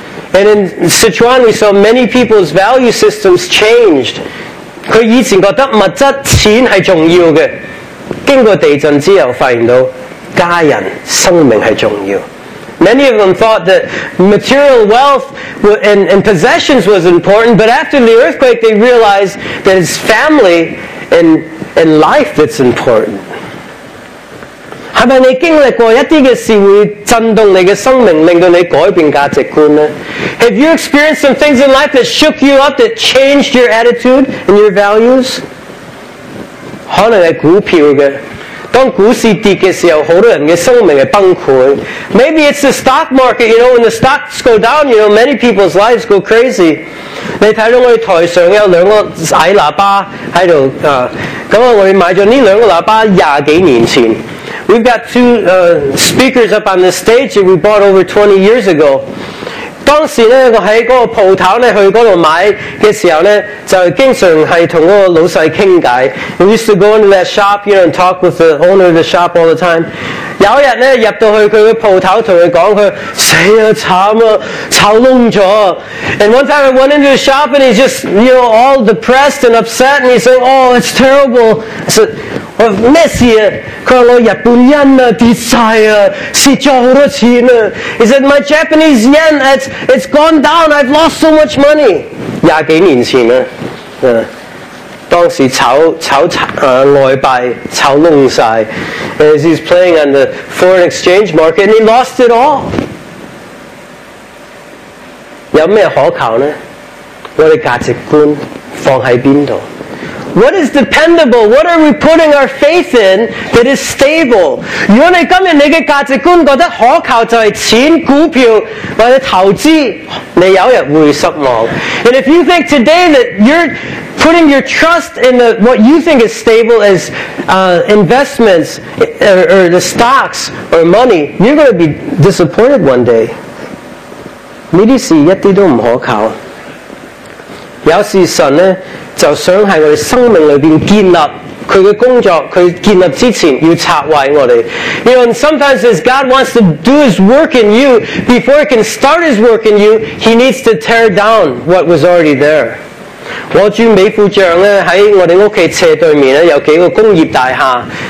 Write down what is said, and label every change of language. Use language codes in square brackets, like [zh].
[en] And in Sichuan we saw many people's value systems changed. [yue] 他以前觉得物质钱是重要的，经过地震之后发现到家人生命是重要。 [en] Many of them thought that material wealth and possessions was important, but after the earthquake they realized that it's family and life that's important. [yue] 是不是你经历过一些事会震动你的生命，令到你改变价值观呢？ [en] Have you experienced some things in life that shook you up, that changed your attitude and your values? [yue] 可能是股票的。当股市跌的时候，很多人的生命是崩溃。 [en] Maybe it's the stock market, you know, when the stocks go down, you know, many people's lives go crazy. [yue] 你看到我们台上有两个矮喇叭在这里，我们买了这两个喇叭20几年前。 [en] We've got two speakers up on the stage that we bought over 20 years ago. [yue] 当时呢，我在那个铺头呢去那里买的时候呢，就经常是跟那个老细倾偈。 [en] We used to go into that shop, you know, and talk with the owner of the shop all the time. [yue] 有一天呢，入到去他的铺头跟他说，他死啊，惨啊，炒窿了。 [en] And one time I went into the shop and he's just, you know, all depressed and upset and he said, oh, it's terrible. I said, what's the matter? [yue] 他说我日本人啊，跌晒啊，蚀了很多钱啊。 [en] He said, my Japanese yen, it's gone down, I've lost so much money. [yue] 20几年前啊，当时炒外币炒窿晒。 [en] As he's playing on the foreign exchange market and he lost it all. [yue] 有什么可靠呢？我的价值观放在哪里？ [en] What is dependable? What are we putting our faith in that is stable? [yue] 如果你今天你的价值观觉得可靠就是钱、股票或者投资，你有一天会失望。 [en] And if you think today that you're putting your trust in what you think is stable as investments or the stocks or money, you're going to be disappointed one day. [yue] 这些事一点都不可靠。有时神呢就想在我们生命里面建立他的工作，他建立之前要拆毁我们。 [en] You know, and sometimes as God wants to do His work in you, before He can start His work in you, He needs to tear down what was already there. [yue] 我住美孚巷呢，在我们家斜对面呢，有几个工业大厦。